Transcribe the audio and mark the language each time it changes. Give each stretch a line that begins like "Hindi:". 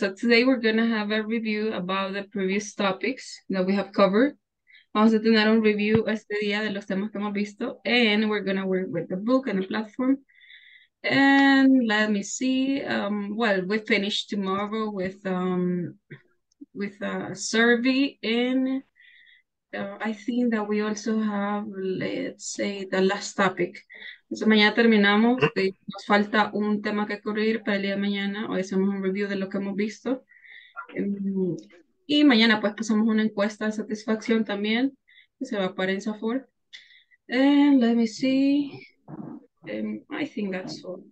English: So today we're going to have a review about the previous topics that we have covered.
Spanish: Vamos a tener un review este día de los temas que hemos visto.
English: And we're going to work with the book and the platform. And let me see. Well, we finish tomorrow with a survey. And I think that we also have, let's say, the last topic.
Spanish: Entonces, mañana terminamos. Nos falta un tema que cubrir para el día de mañana. Hoy hacemos un review de lo que hemos visto. Y mañana, pues, pasamos una encuesta de satisfacción también. Que se va para en Safor.
English: And let me see. I think that's all.